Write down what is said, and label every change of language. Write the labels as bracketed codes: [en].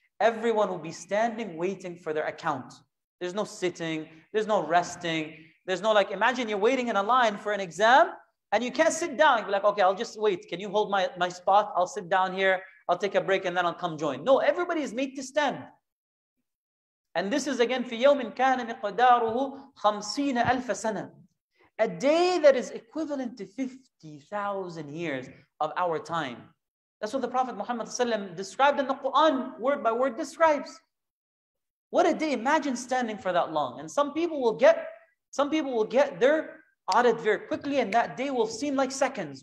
[en] Everyone will be standing waiting for their account. There's no sitting, there's no resting, there's no like, imagine you're waiting in a line for an exam and you can't sit down. You're like, okay, I'll just wait. Can you hold my spot? I'll sit down here, I'll take a break and then I'll come join. No, everybody is made to stand. And this is again, [ar] في يوم كان مقداره 50,000 سنة. [en] A day that is equivalent to 50,000 years of our time. That's what the Prophet Muhammad described in the Quran, word by word describes. What a day, imagine standing for that long. And some people will get their audit very quickly, and that day will seem like seconds.